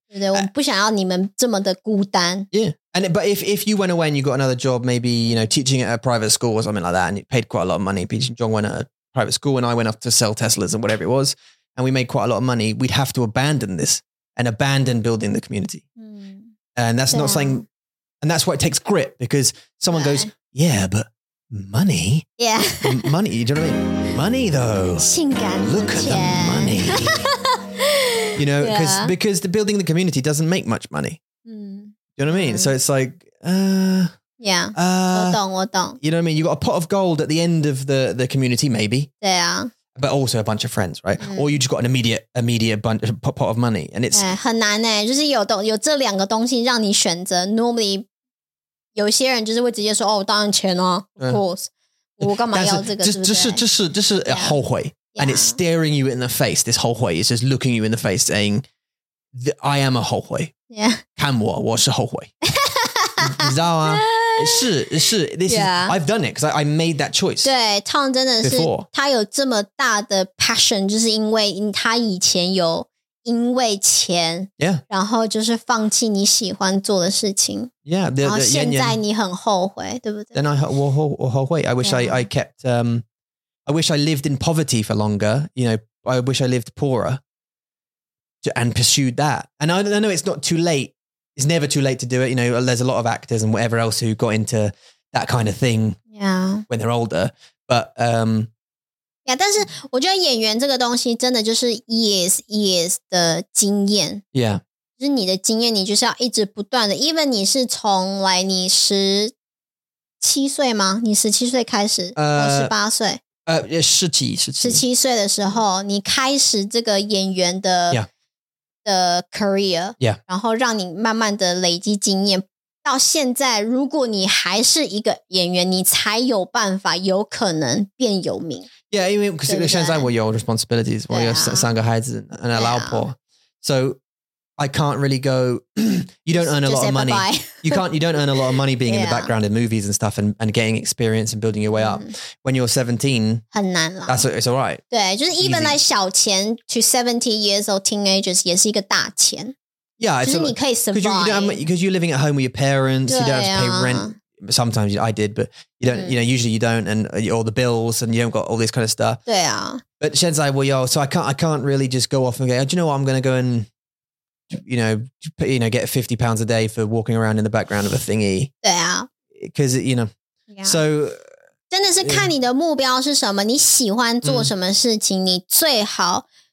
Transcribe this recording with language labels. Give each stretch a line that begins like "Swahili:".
Chinese: 对,我们不想要你们这么的孤单。
English: Yeah. And but if you went away and you got another job, maybe, you know, teaching at a private school or something like that, and it paid quite a lot of money, teaching Zhongwen at a private school, and I went off to sell Teslas and whatever it was, and we made quite a lot of money, we'd have to abandon this and abandon building the community. And that's not something, and that's why it takes grit, because someone goes, yeah, but money. Yeah. Money, you know what I mean? Money though. Look at the money. You know, because the building the community doesn't make much money. You know what I mean? So it's like,
Chinese: yeah, 我懂。
English: You know what I mean? You got a pot of gold at the end of the community, maybe. Yeah. But also a bunch of friends, right? Or you just got an immediate bunch of pot of money, and it's
Chinese: 很难诶，就是有这两个东西让你选择。 Normally, 有些人就是会直接说，哦，当然钱哦，
English: of course，
Chinese: 我干嘛要这个？就是后悔，
English: and it's staring you in the face. This 后悔 is just looking you in the face, saying, "I am a 后悔." Yeah.
Chinese: 看我，我是后悔。你知道吗?
English: 是, this is, I've done it because I made that choice.
Chinese: 对, Tom真的是, 他有这么大的 passion, 就是因为他以前有因为钱,
English: yeah.
Chinese: 然后就是放弃你喜欢做的事情。
English: Yeah,
Chinese: 然后现在你很后悔, 对不对?
English: Then
Chinese: 我后悔,
English: I wish I kept, I wish I lived in poverty for longer, you know, I wish I lived poorer. And pursued that. And I know it's not too late. It's never too late to do it. You know, there's a lot of actors and whatever else who got into that kind of thing when they're older. But,
Chinese: yeah, 但是我觉得演员这个东西真的就是years的经验.
English: Yeah.
Chinese: 就是你的经验,你就是要一直不断的, even 你是从来你17岁吗? 你17岁开始, 18岁? 17岁的时候, 你开始这个演员的,
English: yeah. The career, yeah.
Chinese: 然后让你慢慢的累积经验, 到现在, 如果你还是一个演员, 你才有办法, 有可能变有名。
English: Yeah, I mean, because it shows like what your old responsibilities, what your sangha hides and allow for. So I can't really go, you don't earn a lot of money. You don't earn a lot of money being in the background in movies and stuff and getting experience and building your way up. When you're 17, it's all right. 对, just even easy. Like 小钱 to 70 years old teenagers
Chinese: 也是一个大钱.
English: Yeah, it's because you're living at home with your parents, you don't have to pay rent. Sometimes I did, but you don't, you know, usually you don't, and all the bills and you don't got all this kind of stuff. Yeah. But Shen's like, well, yo, so I can't really just go off and go, oh, do you know what? I'm going to go and, you know, get £50 a day for walking around in the background of a thingy. Yeah. Because, you know, so.
Chinese: 真的是看你的目标是什么,你喜欢做什么事情,你最好。